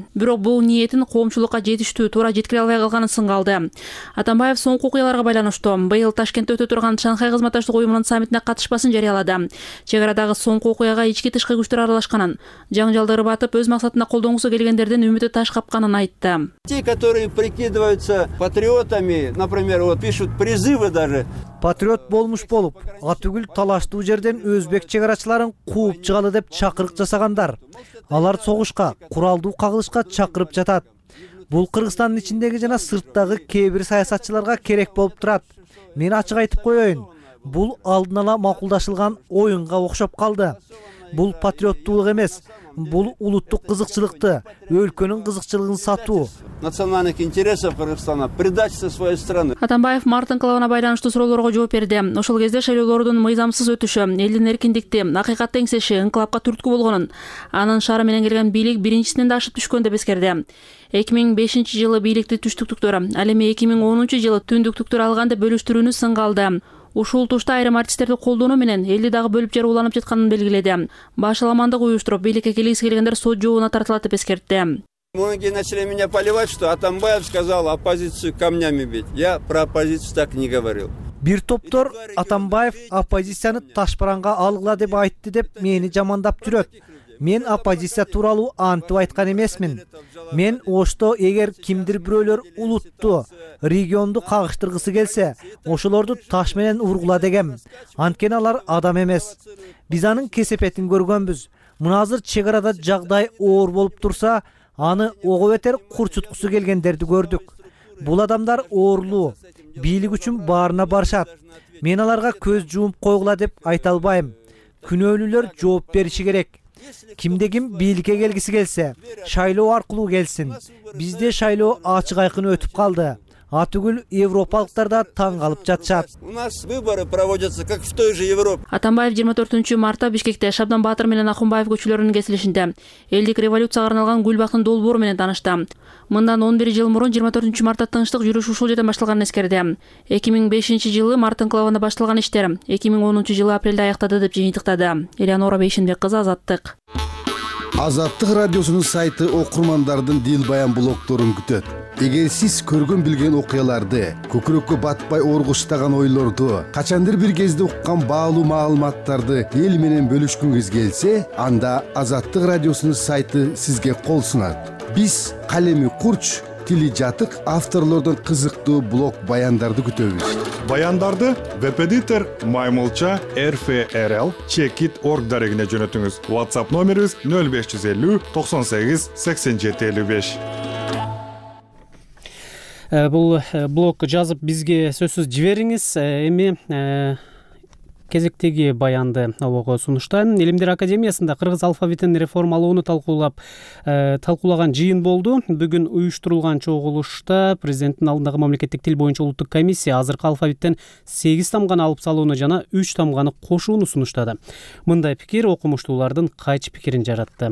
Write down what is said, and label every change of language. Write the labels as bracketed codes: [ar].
[ky] Бирок бул ниетин коомчулукка жетиштүү туура жеткире албай калганын сынга алды. Атамбаев соңку окуяларга байланыштуу быйыл Ташкентте өтө турган Шанхай кызматташтык уюмунун саммитине катышпасын жарыялады. Чек арадагы соңку окуяга ички тышкы күчтөр аралашканын, жаңжалды ырбатып өз максатына колдонгусу келгендердин үмүтү таш капканын айтты. [ru] Те, которые прикидываются патриотами, например, вот пишут призывы даже. [ky] Патриот болмуш болуп, атүгүл талаштуу жерден өзбек чек аракчыларын кууп чыгалы деп чакырык жасагандар. Алар согушка, куралдуу кагылышка чакырып жатат. Бул Кыргызстандын ичиндеги жана сырттагы кээ бир саясатчыларга керек болуп турат. Мен ачык айтып коеюн, бул алдын ала макулдашылган оюнга окшоп калды. Бул патриоттуулук эмес, бул улуттук кызыкчылыкты, өлкөнүн кызыкчылыгын сатуу. [ru] Национальных интересов Кыргызстана, предательство своей страны. [ky] Атамбаев Мартын кылабына байланыштуу суроолорго жооп берди. Ошол кезде шайлоолордун мыйзамсыз өтүшү, элдин эркиндикти, акыйкатты эңсеши инкылапка түрткү болгонун, анын шаары менен келген бийлик биринчисинен да ашып түшкөнүн деп эскерди. 2005 жылы бийликти түштүктүктөр, ал эми 2010 жылы түндүктүктөр алган деп бөлүштүрүүнү сынга алды. Ушул тушта айрым артисттерди колдоону менен элди дагы бөлүп жарып уланып жатканын белгиледи. Башаламандык уюштуруп бийликке келгиси келгендер сот жообуна тартылат деп эскертти. [ru] Многие начали меня поливать, что Атамбаев сказал оппозицию камнями бить. Я про оппозицию так не говорил. [ky] Бир топтор Атамбаев оппозицияны таш баранга алгыла деп айтты деп мени жамандап жүрөт. Мен оппозиция туралуу антып айткан эмесмин. Мен ошто эгер кимдир бирөөлөр улутту, регионду кагыштыргысы келсе, ошолорду таш менен ургула дегем. Анткени алар адам эмес. Биз анын кесепетин көргөнбүз. Мунаазыр чек арада жагдай оор болуп турса, аны ого бетер курчуткусу келгендерди көрдүк. Бул адамдар оорлуу, бийлик үчүн баарына барышат. Мен аларга көз жумуп койгула деп айта албайм. Күнөөлүүлөр жооп бериши керек. Кимде ким бийликке келгиси келсе, шайлоо аркылуу келсин. Бизде шайлоо ачык айкын өтүп калды. Атүгүл европалыктар да таң калып жатышат. [ru] У нас выборы проводятся как в той же Европе. [ky] Атамбаев 24 мартта Бишкекте Шабдан Баатыр менен Акунбаев көчөлөрүнүн кесилишинде элдик революцияга арналган гүл бактын долбоор менен таанышты. Мындан 11 жыл мурун 24 мартта тынчтык жүрүшү ушул жерден башталганын эскерди. 2005 жылы мартын клавында башталган иштер 2010 жылы апрелде аяктады деп жыйынтыктады. Элеонора Бейшенбек кызы Азаттык. Азаттык радиосунун сайты окурмандардын дил баян блогдорун күтөт. Эгер сиз көргөн билген окуяларды, көкүрөккө батпай оргуштаган ойлорду, качандыр бир кезде уккан баалуу маалыматтарды эл менен бөлүшкүңүз келсе, анда Азаттык радиосунун сайты сизге кол сунат. Биз калеми курч, тили жатык авторлордон кызыктуу блог баяндарды күтөбүз. Баяндарды Wepeditor маймылча RFRL Чекит.org дарегине жөнөтүңүз. WhatsApp номерибиз 0550 98 87 55. Бул блог жазып бизге сөзсүз жибериңиз. Эми кезектеги баянды обого сунуштайм. Илимдер академиясында кыргыз алфавитин реформалоону талкуулаган жыйын болду. Бүгүн уюштурулган чогулушта президенттин алдындагы мамлекеттик тил боюнча улуттук комиссия азыркы алфавиттен 8 тамганы алып салууну жана 3 тамганы кошууну сунуштады. Мындай пикир окумуштуулардын кайч пикирин жаратты.